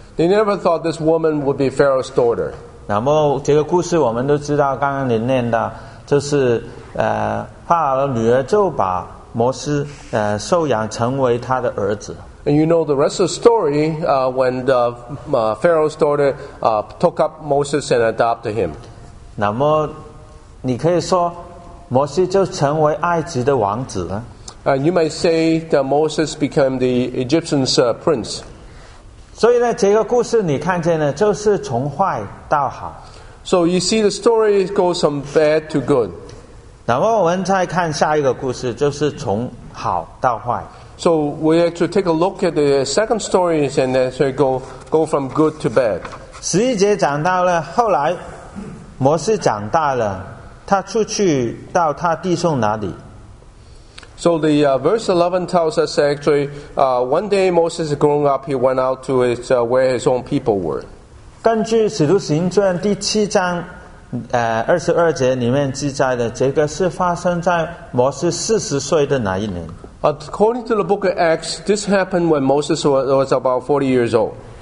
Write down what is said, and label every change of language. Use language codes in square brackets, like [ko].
[en] They never thought this woman would be Pharaoh's daughter. [zh] 那么这个故事我们都知道，刚刚您念的，就是法老的女儿就把摩西收养成为她的儿子。 [en] And you know the rest of the story when the Pharaoh's daughter took up Moses and adopted him. [zh] 那么你可以说摩西就成为埃及的王子了。 [en] You might say that Moses became the Egyptian's prince. [zh] 所以呢，这个故事你看见呢，就是从坏到好。 [en] So you see the story goes from bad to good. [zh] 那么我们再看下一个故事，就是从好到坏。 [en] So we have to take a look at the second story and then so go from good to bad. [zh] 十一节讲到了，后来摩西长大了。他出去到他弟兄那里。 [en] So the verse 11 tells us actually, one day Moses grown up, he went out to his where his own people were. [zh] 根据《使徒行传》第七章22节里面记载的，这个是发生在摩西40岁的那一年。 [en] According to the book of Acts, this happened when Moses was about 40 years old.